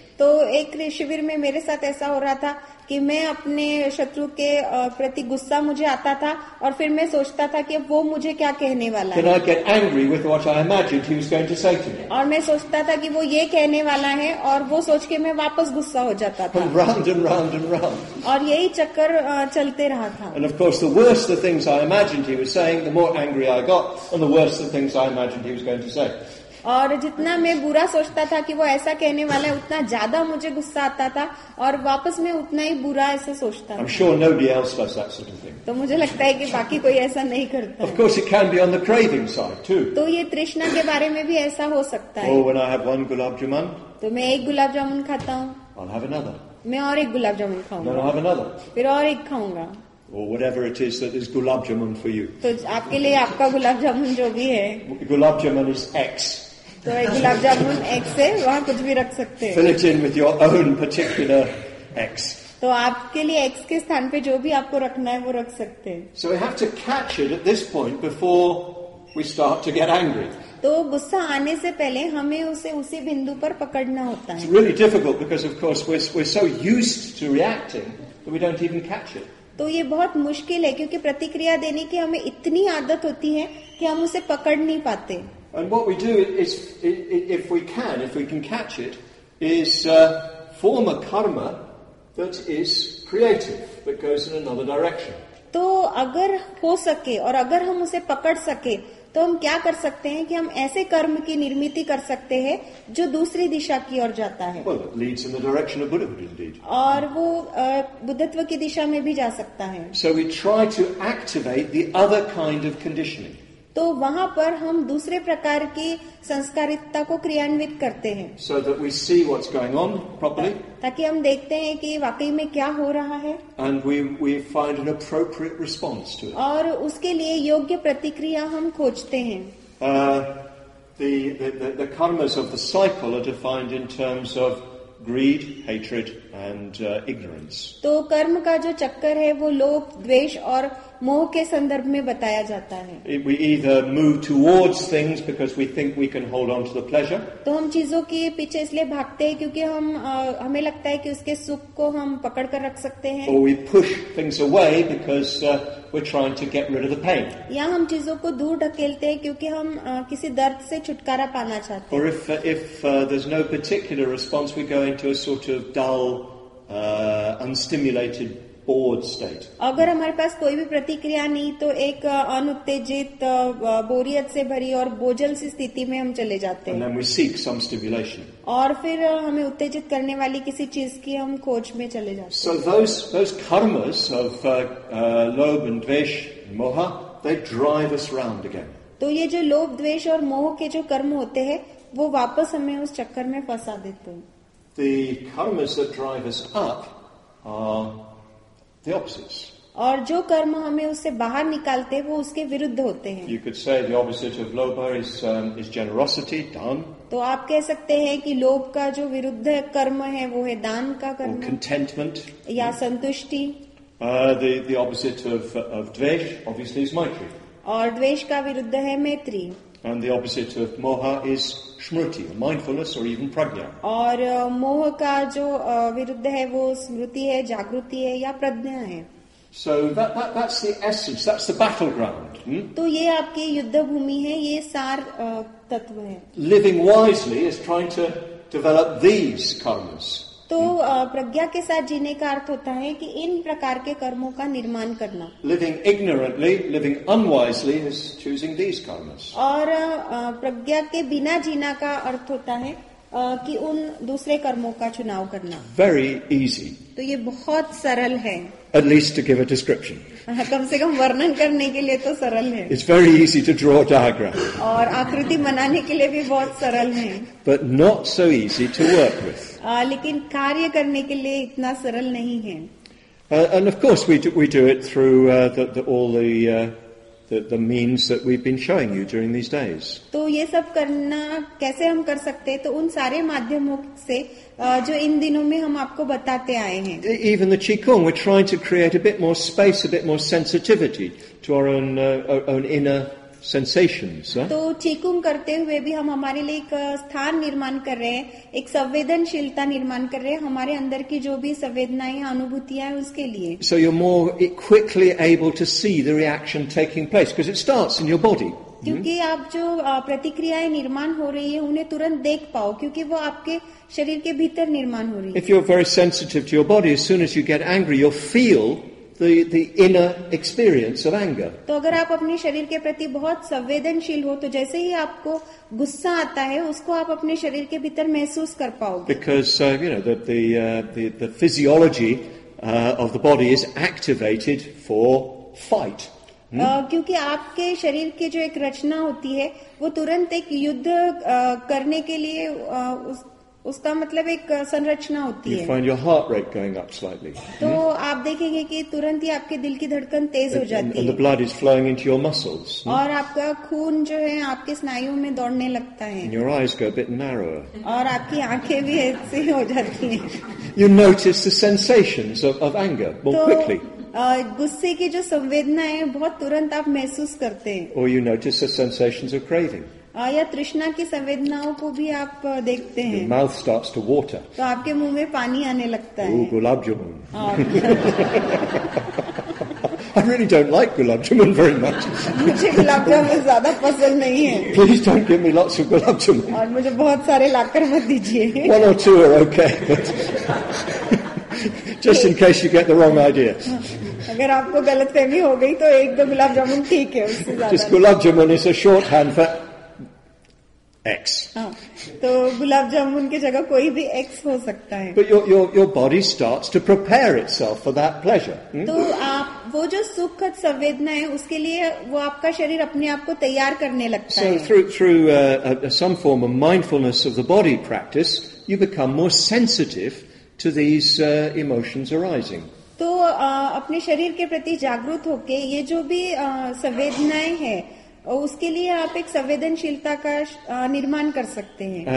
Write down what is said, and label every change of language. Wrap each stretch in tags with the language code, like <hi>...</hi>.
<hi>तो एक शिविर में मेरे साथ ऐसा हो रहा था कि मैं अपने शत्रु के प्रति गुस्सा मुझे आता था और फिर मैं सोचता था कि वो मुझे क्या कहने वाला है.</hi> <en>Then I get angry with what I imagined he was going to say to me.</en> <hi>और मैं सोचता था कि वो ये कहने वाला है और वो सोच के मैं वापस गुस्सा हो जाता था.</hi> <en>Round and round and round.</en> <hi>और यही चक्कर चलते रहा था.</hi> <en>And of course the worse the things I imagined he was saying, the more angry I got, and the worse the things I imagined he was going to say.</en> <hi>और जितना मैं बुरा सोचता था कि वो ऐसा कहने वाला है उतना ज्यादा मुझे गुस्सा आता था और वापस मैं उतना ही बुरा ऐसा सोचता</hi> <en>I'm sure nobody else does that sort of thing.</en> <hi>तो मुझे लगता है कि बाकी कोई ऐसा नहीं करता</hi> <en>Of course it can be on the craving side too.</en> <hi>तो ये तृष्णा के बारे में भी ऐसा हो सकता है</hi> <en>Oh, when I have one gulab jamun,</en> <hi>तो मैं एक गुलाब जामुन खाता हूँ</hi> <en>I'll have another.</en> <hi>मैं और एक गुलाब जामुन खाऊंगा</hi> <en>I'll have another.</en> <hi>फिर और एक खाऊंगा</hi> <en>Or whatever it is that is gulab jamun for you.</en> <hi>तो आपके लिए आपका गुलाब जामुन जो भी है</hi> <en>Gulab jamun is X.</en> <hi>तो एक गुलाब जामुन X है वहाँ कुछ भी रख सकते हैं</hi> <en>Fill it in with your own particular X.</en> <hi>तो आपके लिए X के स्थान पे जो भी आपको रखना है वो रख सकते हैं</hi> <en>So we have to catch it at this point before we start to get angry.</en> <hi>तो गुस्सा आने से पहले हमें उसे उसी बिंदु पर पकड़ना होता है</hi> <en>It's really difficult because of course we're so used to reacting that we don't even catch it.</en> <hi>तो ये बहुत मुश्किल है क्योंकि प्रतिक्रिया देने की हमें इतनी आदत होती है कि हम उसे पकड़ नहीं पाते</hi> <en>And what we do is, if we can catch it, is form a karma that is creative, that goes in another direction.</en> <hi>तो अगर हो सके और अगर हम उसे पकड़ सके तो हम क्या कर सकते हैं कि हम ऐसे कर्म की निर्मिति कर सकते हैं जो दूसरी दिशा की ओर जाता है</hi> <en>well, it leads in the direction of Buddhahood, indeed.</en> <hi>और वो बुद्धत्व की दिशा में भी जा सकता है</hi> <en>So we try to activate the other kind of conditioning.</en> <hi>तो वहाँ पर हम दूसरे प्रकार की संस्कारितता को क्रियान्वित करते हैं</hi> <en>so that we see what's going on properly.</en> <hi>ताकि हम देखते हैं कि वाकई में क्या हो रहा है</hi> <en>And we find an appropriate response to it.</en> <hi>और उसके लिए योग्य प्रतिक्रिया हम खोजते हैं</hi> <en>the karmas of the cycle are defined in terms of greed, hatred and ignorance.</en> <hi>तो कर्म का जो चक्कर है वो लोभ द्वेष और मोह के संदर्भ में बताया जाता है</hi> <en>We either move towards things because we think we can hold on to the pleasure.</en> <hi>तो हम चीजों के पीछे इसलिए भागते हैं क्योंकि हम हमें लगता है कि उसके सुख को हम पकड़ कर रख सकते हैं</hi> <en>Or we push things away because we're trying to get rid of the pain.</en> <hi>या हम चीजों को दूर ढकेलते हैं क्योंकि हम किसी दर्द से छुटकारा पाना चाहते हैं</hi> <en>Or if there's no particular response, we go into a sort of dull, unstimulated bored state.</en> <hi>अगर हमारे पास कोई भी प्रतिक्रिया नहीं तो एक अनुत्तेजित बोरियत से भरी और बोझल सी स्थिति में हम चले जाते हैं</hi> <en>And then we seek some stimulation.</en> <hi>और फिर हमें उत्तेजित करने वाली किसी चीज की हम खोज में चले जाते</hi> <en>So those karmas of lobh and dvesh and moha, they drive us round again.</en> <hi>तो ये जो लोभ द्वेष और मोह के जो कर्म होते हैं वो वापस हमें उस चक्कर में फंसा देते हैं</hi> <en>The karmas that drive us up are the opposites.</en> <hi>और जो कर्म हमें उससे बाहर निकालते हैं वो उसके विरुद्ध होते हैं</hi> <en>You could say the opposite of lobha is generosity, dan.</en> <hi>तो आप कह सकते हैं कि लोभ का जो विरुद्ध कर्म है वो है दान का कर्म</hi> <en>Or contentment.</en> <hi>या संतुष्टि</hi> <en>the opposite of dvesh, obviously, is maitri.</en> <hi>और द्वेष का विरुद्ध है मैत्री</hi> <en>And the opposite of moha is smriti, mindfulness or even prajna.</en> <hi>और मोह का जो विरुद्ध है वो स्मृति है जागृति है या प्रज्ञा है</hi> <en>So that's the essence, that's the battleground.</en> <hi>तो ये आपकी युद्ध भूमि है ये सार तत्व है</hi> <en>Living wisely is trying to develop these karmas.</en> <hi>तो प्रज्ञा के साथ जीने का अर्थ होता है कि इन प्रकार के कर्मों का निर्माण करना</hi> <en>living ignorantly living unwisely is choosing these karmas</en> <hi>और प्रज्ञा के बिना जीना का अर्थ होता है कि उन दूसरे कर्मों का चुनाव करना</hi> <en>very easy</en> <hi>तो ये बहुत सरल है</hi> <en>At least to give a description.</en> <hi>कम से कम वर्णन करने के लिए तो सरल है</hi> <en>It's very easy to draw a diagram.</en> <hi>और आकृति बनाने के लिए भी बहुत सरल है</hi> <en>But not so easy to work with.</en> <hi>लेकिन कार्य करने के लिए इतना सरल नहीं है</hi> <en>And of course we do it through the means that we've been showing you during these days.</en> <hi>तो ये सब करना कैसे हम कर सकते हैं तो उन सारे माध्यमों से जो इन दिनों में हम आपको बताते आए हैं</hi> <en>Even the Qigong, we're trying to create a bit more space, a bit more sensitivity to our own, own inner sensations.</en> <hi>तो चीकुंग करते हुए भी हम हमारे लिए एक स्थान निर्माण कर रहे हैं एक संवेदनशीलता निर्माण कर रहे हैं हमारे अंदर की जो भी संवेदनाएं अनुभूतियां हैं उसके लिए</hi> <en>So you're more quickly able to see the reaction taking place because it starts in your body.</en> <hi>क्योंकि आप जो प्रतिक्रियाएं निर्माण हो रही है उन्हें तुरंत देख पाओ क्योंकि वो आपके शरीर के भीतर निर्माण हो रही है</hi> <en>If you're very sensitive to your body, as soon as you get angry, you'll feel the inner experience of anger.</en> <hi>तो अगर आप अपने शरीर के प्रति बहुत संवेदनशील हो तो जैसे ही आपको गुस्सा आता है उसको आप अपने शरीर के भीतर महसूस कर पाओगे.</hi> <en>Because you know that the physiology of the body is activated for fight.</en> <hi>क्योंकि आपके शरीर के जो एक रचना होती है वो तुरंत एक युद्ध करने के लिए उसका मतलब एक संरचना होती है.</hi> <en>You find your heart rate going up slightly.</en> <hi>तो आप देखेंगे कि तुरंत ही आपके दिल की धड़कन तेज हो जाती है.</hi> <en>And the blood is flowing into your muscles.</en> <hi>और आपका खून जो है आपके स्नायुओं में दौड़ने लगता है.</hi> <en>And your eyes go a bit narrower.</en> <hi>और आपकी आंखें भी ऐसे हो जाती हैं.</hi> <en>You notice the sensations of anger more quickly.</en> <hi>गुस्से की जो संवेदना है बहुत तुरंत आप महसूस करते हैं.</hi> <en>Or you notice the sensations of craving.</en> <hi>या तृष्णा की संवेदनाओं को भी आप देखते हैं.</hi> <en>Your mouth starts to water.</en> <hi>तो आपके मुंह में पानी आने लगता है.</hi> <en>Ooh, gulab jamun. I really don't like gulab jamun very much.</en> <hi>मुझे गुलाब जामुन ज्यादा पसंद नहीं है.</hi> <en>Please don't give me lots of gulab jamun.</en> <hi>और मुझे बहुत सारे लाकर मत दीजिए.</hi> <en>One or two are okay. But just in case you get the wrong idea.</en> <hi>अगर आपको गलतफहमी हो गई तो एक दो गुलाब जामुन ठीक है उससे ज्यादा.</hi> <en>Just gulab jamun is a shorthand for X.</en> <hi>तो गुलाब जामुन की जगह कोई भी एक्स हो सकता है.</hi> <en>But your body starts to prepare itself for that pleasure.</en> <hi>तो आप वो जो सुखद संवेदना है उसके लिए वो आपका शरीर अपने आप को तैयार करने लगता है.</hi> <en>So through some form of mindfulness of the body practice, you become more sensitive to these emotions arising.</en> <hi>तो अपने शरीर के प्रति जागरूक होके ये जो भी संवेदनाएं हैं उसके लिए आप एक संवेदनशीलता का निर्माण कर सकते हैं.</hi>